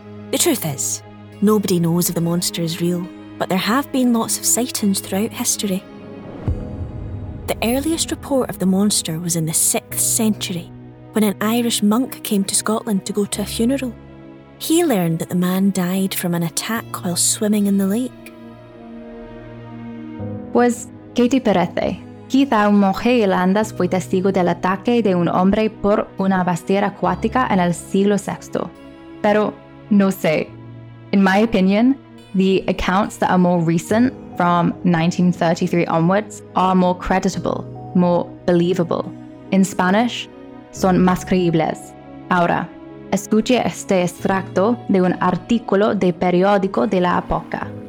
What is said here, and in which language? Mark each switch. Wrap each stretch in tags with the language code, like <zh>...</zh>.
<en>The truth is, nobody knows if the monster is real, but there have been lots of sightings throughout history. The earliest report of the monster was in the 6th century, when an Irish monk came to Scotland to go to a funeral. He learned that the man died from an attack while swimming in the lake.</en> <es>¿Qué te parece? Quizá un monje irlandés fue testigo del ataque de un hombre por una bestia acuática en el siglo VI. Pero, no sé.</es> <en>In my opinion, the accounts that are more recent, from 1933 onwards, are more creditable, more believable. In Spanish,</en> <es>son más creíbles. Ahora, escuche este extracto de un artículo de periódico de la época.</es>